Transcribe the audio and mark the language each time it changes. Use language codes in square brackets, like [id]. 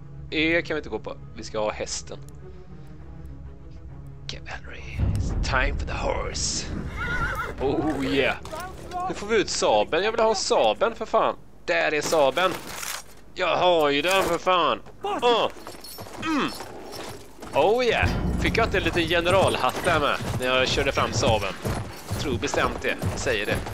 [sv] E kan vi inte gå på, vi ska ha hästen. [en] Cavalry, it's time for the horse. Oh yeah. [sv] Nu får vi ut sabeln, jag vill ha sabeln för fan. Där är sabeln. Jag har ju den för fan. [en] Oh yeah. [sv] Fick jag inte en liten generalhatt där med när jag körde fram sabeln? Tror bestämt det, säger det.